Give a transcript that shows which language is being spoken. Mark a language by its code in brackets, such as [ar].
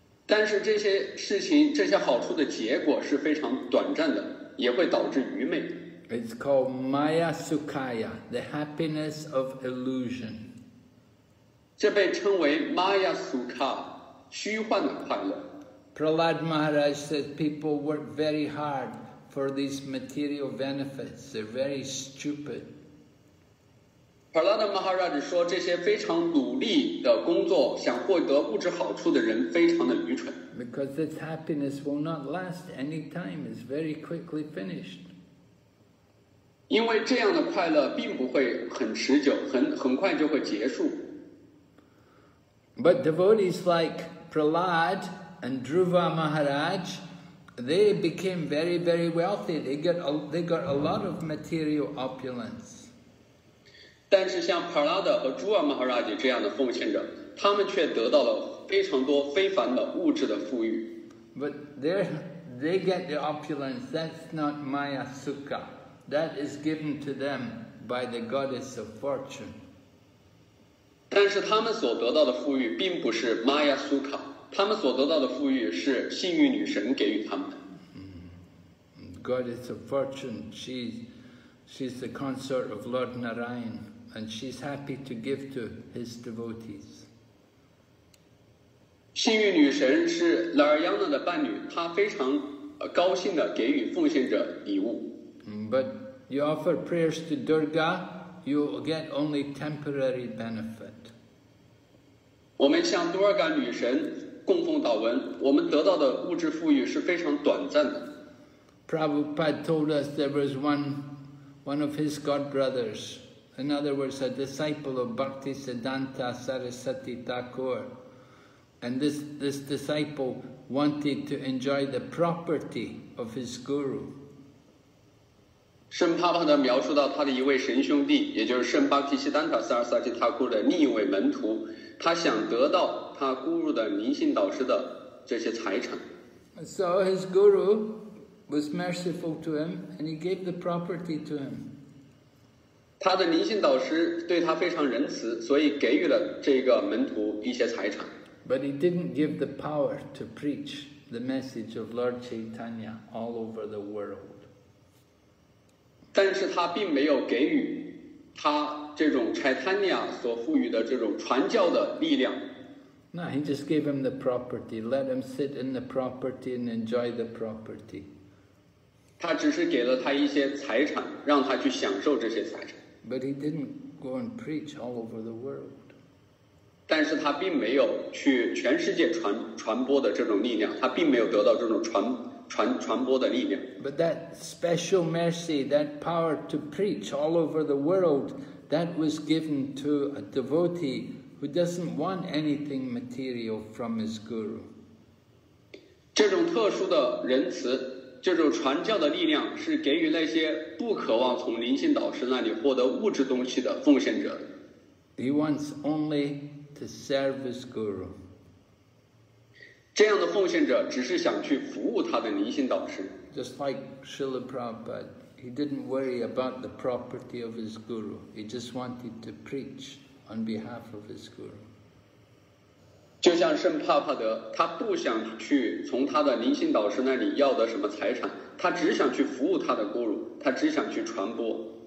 [zh] 但是这些事情，这些好处的结果是非常短暂的，也会导致愚昧。 [en] It's called Maya Sukaya, the happiness of illusion. [zh] 这被称为 Maya Sukaya, 虚幻的快乐。 [en] Prahlad Maharaj said people work very hard for these material benefits. They're very stupid. [zh] Prahlad Maharaj 说这些非常努力的工作想获得物质好处的人非常的愚蠢。 [en] Because this happiness will not last any time. It's very quickly finished. [zh] 因为这样的快乐并不会很持久 很快就会结束 [en] But devotees like Prahlad and Dhruva Maharaj they became very very wealthy they got a lot of material opulence [zh] 但是像 Prahlad 和 Dhruva Maharaj 这样的奉献者他们却得到了非常多非凡的物质的富裕 [en] But they get the opulence that's not Maya Sukha. That is given to them by the goddess of fortune. [zh] 但是他们所得到的富裕并不是玛雅苏卡，他们所得到的富裕是幸运女神给予他们的。 [en] Goddess of fortune, she's the consort of Lord Narayan, and she's happy to give to his devotees. [zh] 幸运女神是拉尔扬纳的伴侣，她非常高兴地给予奉献者礼物。 [en] But you offer prayers to Durga, you get only temporary benefit. [zh] 我们向 Durga 女神供奉祷文，我们得到的物质富裕是非常短暂的。 [en] Prabhupada told us there was one of his god brothers, in other words, a disciple of Bhaktisiddhanta Sarasvati Thakur, and this disciple wanted to enjoy the property of his guru. [zh] 圣帕帕的描述到他的一位神兄弟也就是圣巴提西丹塔萨尔萨基塔库的另一位门徒他想得到他咕噜的灵性导师的这些财产 [en] So his guru was merciful to him and he gave the property to him [zh] 他的灵性导师对他非常仁慈所以给予了这个门徒一些财产 [en] But he didn't give the power to preach the message of Lord Chaitanya all over the world [zh] 但是他并没有给予他这种 Chaitanya 所赋予的这种传教的力量。 [en] No, he just gave him the property. Let him sit in the property and enjoy the property. [zh] 他只是给了他一些财产，让他去享受这些财产。 [en] But he didn't go and preach all over the world. [zh] 但是他并没有去全世界传播的这种力量，他并没有得到这种传播的力量。 [en] But that special mercy, that power to preach all over the world, that was given to a devotee who doesn't want anything material from his guru. [zh] 这种特殊的仁慈，这种传教的力量，是给予那些不渴望从灵性导师那里获得物质东西的奉献者。 [en] He wants only to serve his guru. [zh] 这样的奉献者只是想去服务他的灵性导师。 [en] Just like Srila Prabhupada, he didn't worry about the property of his guru. He just wanted to preach on behalf of his guru. [zh] 就像圣帕帕德，他不想去从他的灵性导师那里要得什么财产，他只想去服务他的 guru， 他只想去传播。